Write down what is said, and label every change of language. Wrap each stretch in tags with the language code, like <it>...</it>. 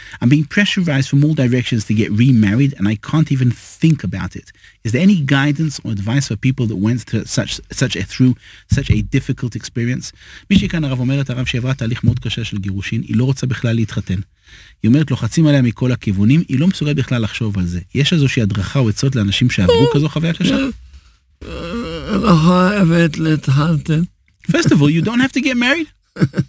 <en>I'm being pressurized from all directions to get remarried and I can't even think about it. Is there any guidance or advice for people that went through such a difficult experience?</en> <he>מי שכאן הרב אומרת הרב שעברה תהליך מאוד קשה של גירושין, היא לא רוצה בכלל להתחתן. היא אומרת, לוחצים עליה מכל הכיוונים, היא לא מסוגלת בכלל לחשוב על זה. יש איזושהי הדרכה או עצות לאנשים שעברו כזו חוויה קשה? לא חייבת להתחתן.</he> <en>First of all, you don't have to get married.</en>